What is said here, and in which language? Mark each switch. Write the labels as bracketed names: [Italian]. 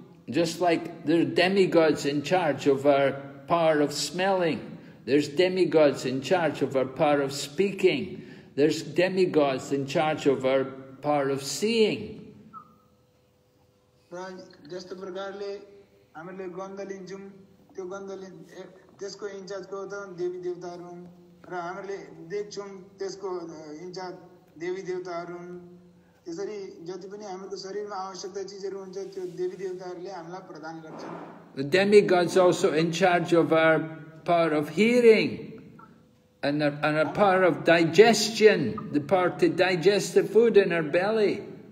[English] Just like there are demigods in charge of our power of smelling, there's demigods in charge of our power of speaking, there's demigods in charge of our power of seeing. [Nepali] जस्तो प्रकारले हामीले गन्ध लिन्छौँ त्यो गन्धले त्यसको इन्चार्जको त देवी देवताहरू हुन् र हामीले देख्छौँ त्यसको इन्चार्ज देवी देवताहरू हुन् त्यसरी जति पनि हाम्रो शरीरमा आवश्यकता चिजहरू हुन्छ त्यो देवी देवताहरूले हामीलाई प्रदान गर्छ [English] The demigods also in charge of our power of hearing and our power of digestion, the power to digest the food in our belly.